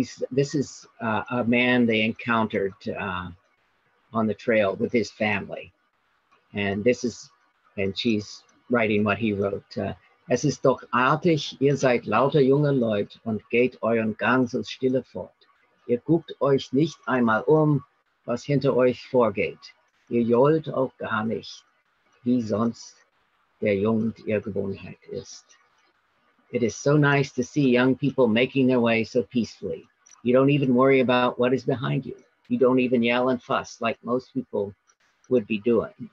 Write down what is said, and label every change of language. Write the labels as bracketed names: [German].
[English] This is a man they encountered on the trail with his family. And she's writing what he wrote. [German] "Es ist doch artig, ihr seid lauter junge Leute und geht euren Gang so stille fort. Ihr guckt euch nicht einmal was hinter euch vorgeht. Ihr johlt auch gar nicht, wie sonst der Jugend ihr Gewohnheit ist." [English] It is so nice to see young people making their way so peacefully. You don't even worry about what is behind you. You don't even yell and fuss like most people would be doing.